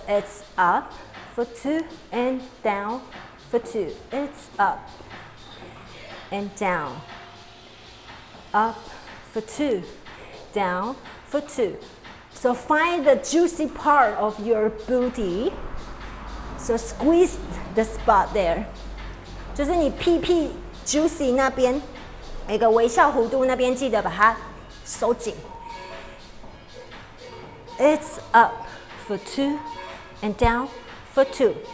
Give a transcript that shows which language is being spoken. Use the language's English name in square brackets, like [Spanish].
[English] It's up for two and down for two. It's up and down. Up for two, down for two. So find the juicy part of your booty. So squeeze the spot there. [Chinese] 就是你屁屁 juicy 那边，一个微笑弧度那边，记得把它收紧。 [English] It's up for two and down for two.